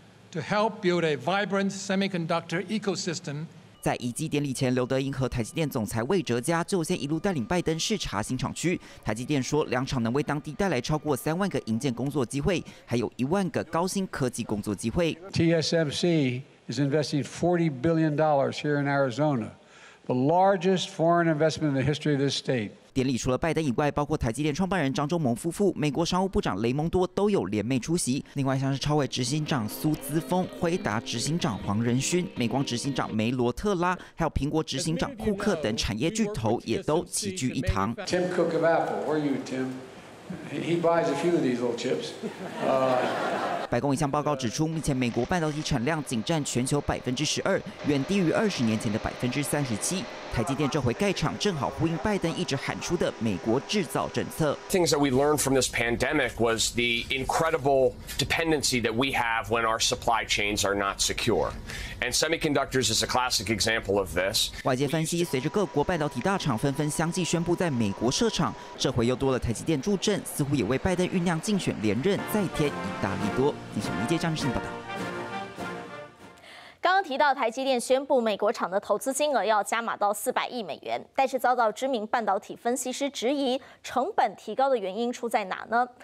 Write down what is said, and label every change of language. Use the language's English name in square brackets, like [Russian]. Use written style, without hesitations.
[English] To help build a vibrant semiconductor ecosystem. [Chinese] 在移机典礼前，刘德英和台积电总裁魏哲嘉就先一路带领拜登视察新厂区。台积电说，两厂能为当地带来超过30000个营建工作机会，还有10000个高新科技工作机会。 [English] TSMC is investing $40 billion here in Arizona, the largest foreign investment in the history of this state. [Chinese] 典礼除了拜登以外，包括台积电创办人张忠谋夫妇、美国商务部长雷蒙多都有联袂出席。另外，像是超微执行长苏姿峰、辉达执行长黄仁勋、美光执行长梅罗特拉，还有苹果执行长库克等产业巨头也都齐聚一堂。 [English] Tim Cook of Apple, where are you, Tim? He buys a few of these little chips. [Chinese] 白宫一项报告指出，目前美国半导体产量仅占全球12%，远低于20年前的37%。台积电这回盖厂，正好呼应拜登一直喊出的“美国制造”政策。 [English] Things that we learned from this pandemic was the incredible dependency that we have when our supply chains are not secure, and semiconductors is a classic example of this. [Chinese] 外界分析，随着各国半导体大厂纷纷相继宣布在美国设厂，这回又多了台积电助阵，似乎也为拜登酝酿竞选连任再添一大利多。以上，明天张志信报道。刚刚提到台积电宣布美国厂的投资金额要加码到400亿美元，但是遭到知名半导体分析师质疑，成本提高的原因出在哪呢？